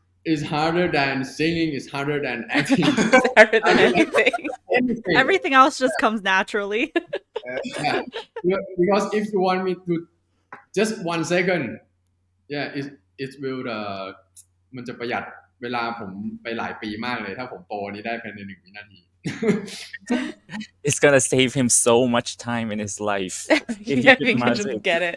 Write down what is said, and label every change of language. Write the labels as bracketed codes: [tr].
[en] It's harder than singing. It's harder than acting. It's harder than anything. Everything else just comes naturally. Yeah. Because if you want me to just 1 second, yeah, it will [th] มันจะประหยัดเวลาผมไปหลายปีมากเลยถ้าผมโตนี้ได้ภายใน1วินาที [en] It's gonna save him so much time in his life. If yeah, you can just get it